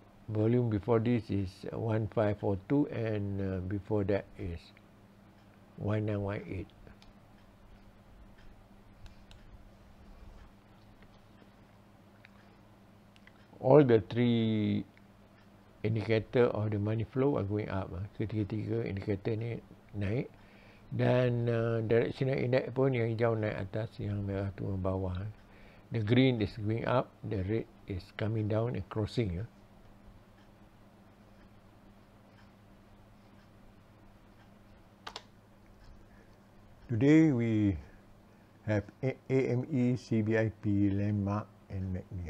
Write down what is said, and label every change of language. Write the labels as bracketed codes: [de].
[en] Volume before this is 1542, and before that is 1918. All the three indicator of the money flow are going up. [ms] Ketiga-tiga indicator ni naik. Dan directional index pun yang hijau naik atas, yang merah turun bawah. [en] The green is going up, the red is coming down and crossing. Today we have AME, CBIP, LANDMRK and MAGNI.